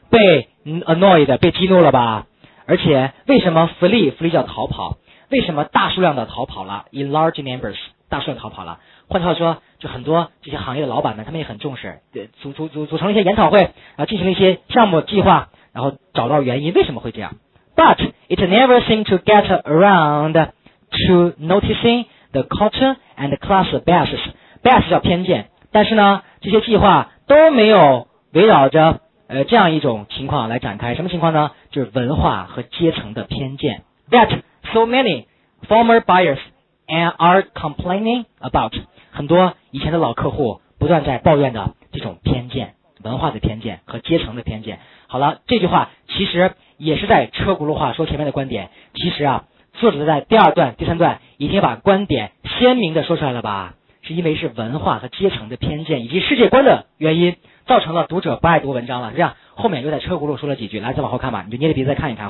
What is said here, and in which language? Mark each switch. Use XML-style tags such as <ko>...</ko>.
<zh>被 annoyed 被激怒了吧？而且为什么 flee 叫逃跑？为什么大数量的逃跑了 ？</zh> <en>In large numbers，</en> <zh>大数量逃跑了。换句话说，就很多这些行业的老板们，他们也很重视，组成了一些研讨会，然后进行了一些项目计划，然后找到原因为什么会这样。</zh> <en>But it never seemed to get around to noticing the culture and the class biases.</en> <zh>Bias 叫偏见，但是呢，这些计划都没有围绕着这样一种情况来展开。什么情况呢？就是文化和阶层的偏见。</zh> <en>That so many former buyers are complaining about.</en> <zh>很多以前的老客户不断在抱怨的这种偏见，文化的偏见和阶层的偏见。好了，这句话其实也是在车轱辘话说前面的观点。其实啊，作者在第二段第三段已经把观点鲜明的说出来了吧，是因为是文化和阶层的偏见以及世界观的原因造成了读者不爱读文章了。这样后面又在车轱辘说了几句，来再往后看吧，你就捏着鼻子再看一看。</zh>